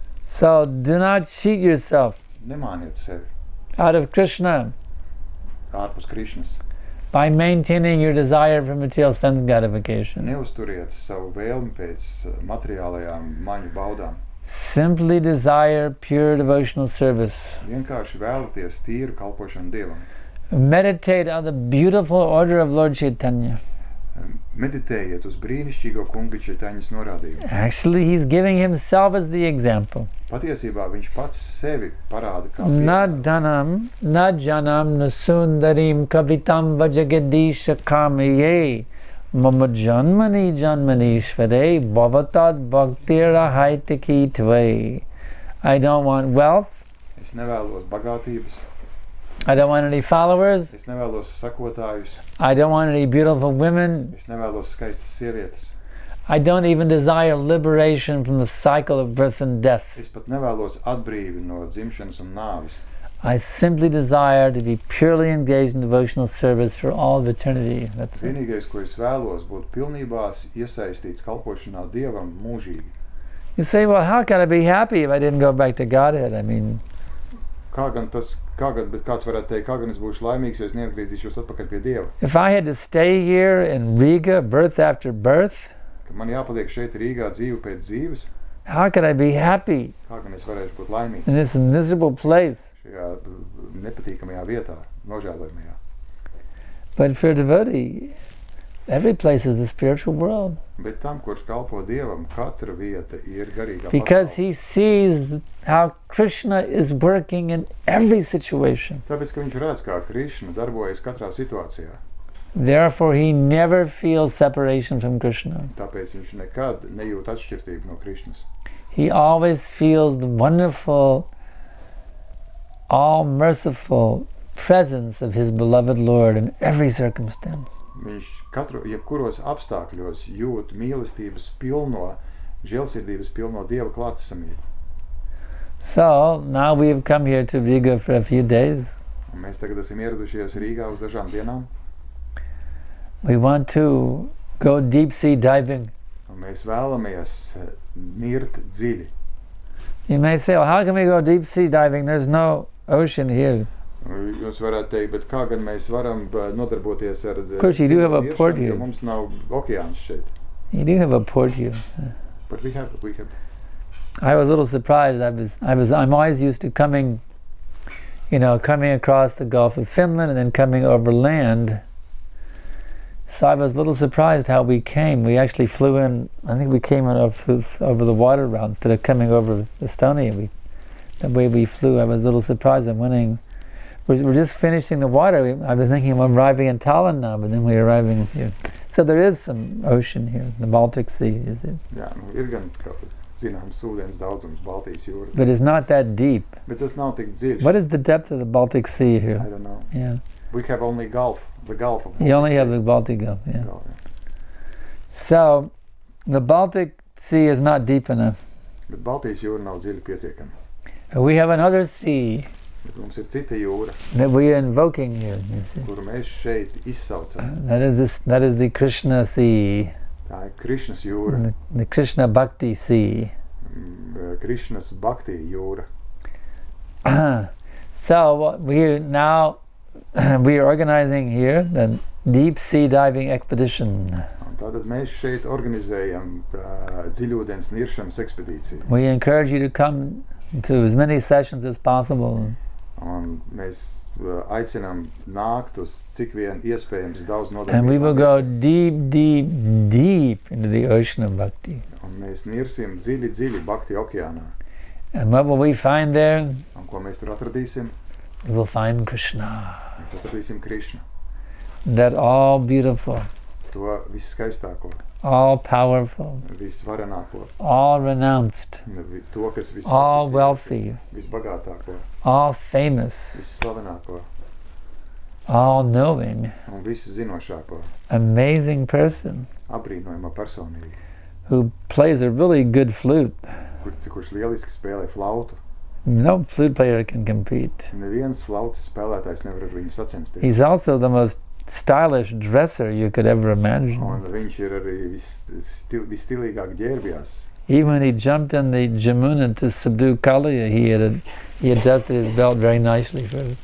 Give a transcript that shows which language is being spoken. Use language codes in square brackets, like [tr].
[en] So, do not cheat yourself. [lv] Nemāniet sevi. [en] Out of Krishna. [lv] Ārpus Krishnas. [en] By maintaining your desire for material sense gratification. [lv] Neusturiet savu vēlmi pēc materiālajām maņu baudām. [en] Simply desire pure devotional service. [lv] Vienkārši vēlaties tīru kalpošanu Dievam. [en] Meditate on the beautiful order of Lord Chaitanya. [lv] Meditējiet uz brīnišķīgo kunga Čaitaņas norādījumu. [en] Actually, he's giving himself as the example. [lv] Patiesībā viņš pats sevi parāda kā piemēram. [sa] Nadanam, nadjanam, nasundarim, kavitam, vajagadīša, kamijai. Mama janmani janmani shvarei bhavatad bhaktira haitiki tvai. [en] I don't want wealth. [lv] Es nevēlos bagātības. [en] I don't want any followers. [lv] Es nevēlos sekotājus. [en] I don't want any beautiful women. [lv] Es nevēlos skaistas sievietes. [en] I don't even desire liberation from the cycle of birth and death. [lv] Es pat nevēlos atbrīvi no dzimšanas un nāves. [en] I simply desire to be purely engaged in devotional service for all of eternity. That's [lv] vienīgais, ko es vēlos, būt pilnībā iesaistīts kalpošanā Dievam mūžīgi. [en] You say, well, how can I be happy if I didn't go back to Godhead? I mean, [lv] kā gan tas, kā gan, bet kāds varētu teikt, kā gan es būšu laimīgs, ja es neatgriezīšos atpakaļ pie Dieva? [en] If I had to stay here in Riga, birth after birth, [lv] ka man jāpaliek šeit Rīgā dzīve pēc dzīves, [en] how can I be happy? [lv] Kā gan es varēšu būt laimīgs? [en] In this miserable place. [lv] Šajā nepatīkamajā vietā, nožēlojamajā. [en] But for a devotee, every place is a spiritual world. [lv] Bet tam, kurš kalpo Dievam, katra vieta ir garīga pasaule. [en] Because he sees how Krishna is working in every situation. [lv] Tāpēc, ka viņš redz, kā Krishna darbojas katrā situācijā. [en] Therefore he never feels separation from Krishna. [lv] Tāpēc viņš nekad nejūt atšķirtību no Krishnas. [en] He always feels the wonderful, all-merciful presence of his beloved Lord in every circumstance. [lv] Viņš katru, jebkuros apstākļos jūt mīlestības pilno, žēlsirdības pilno Dieva klātesamību. [en] So, now we have come here to Riga for a few days. [lv] Mēs tagad esam ieradušies Rīgā uz dažām dienām. [en] We want to go deep sea diving. [lv] Mēs vēlamies nirt dziļi. [en] You may say, well, how can we go deep sea diving? There's no ocean here. [lv] Jūs varētu teikt, bet kā gan mēs varam nodarboties ar dziļu niršanu, jo mums nav okeāns šeit. [en] You do have a port here. But we have. I was a little surprised. I'm always used to coming, you know, coming across the Gulf of Finland and then coming over land. So I was a little surprised how we came. We actually flew in, I think we came over the water route instead of coming over Estonia. The way we flew, I was a little surprised. I'm wondering, we're just finishing the water. I was thinking we're arriving in Tallinn now, but then we're arriving here. So there is some ocean here, the Baltic Sea, is it? [lv] Yeah, nu, ir gan, kā, zināms, ūdens daudzums Baltijas jūra. [en] But it's not that deep. [lv] Bet tas nav tik dziļš. [en] What is the depth of the Baltic Sea here? I don't know. Yeah. We have only Gulf, the Gulf of Baltic Sea. You only have the Baltic Gulf, yeah. Gulf, yeah. So, the Baltic Sea is not deep enough. [lv] Bet Baltijas jūra nav dziļi pietiekami. [en] We have another sea. [lv] Bet mums ir cita jūra. [en] That we are invoking here, you see. [lv] Kuru mēs šeit izsaucam. [en] That is the Krishna Sea. [lv] Tā ir Krishnas jūra. [en] The Krishna Bhakti Sea. [lv] Krishnas Bhakti jūra. [en] So, we are organizing here the deep sea diving expedition. [lv] Tātad mēs šeit organizējam dziļūdens niršanas ekspedīciju. [en] We encourage you to come to as many sessions as possible. [lv] Un mēs aicinām nākt uz cik vien iespējams daudz nodarbības. [en] And we will go deep, deep, deep into the ocean of bhakti. [lv] Un mēs nirsim dziļi, dziļi bhakti okeānā. [en] And what will we find there? [lv] Un ko mēs tur atradīsim? [en] We will find Krishna. [lv] Mēs atradīsim Krishna. [en] That all beautiful. [lv] To visskaistāko. [en] All powerful. [lv] Visvarenāko. [en] All renounced. [lv] To, kas viss [en] all wealthy. [lv] Visbagātāko. [en] All famous. [lv] Visslavenāko. [en] All knowing. [lv] Un viss zinošāko. [en] Amazing person. [lv] Apbrīnojama personība. [en] who plays a really good flute. [lv] Kur, kurš lieliski spēlē flautu. [en] No flute player can compete. [lv] Neviens flautas spēlētājs nevar ar viņu sacensties. [en] He's also the most stylish dresser you could ever imagine. [lv] Un viņš ir arī visstilīgāk ģērbjās. [en] Even when he jumped in the Jamuna to subdue Kaliya, he adjusted his belt very nicely for it.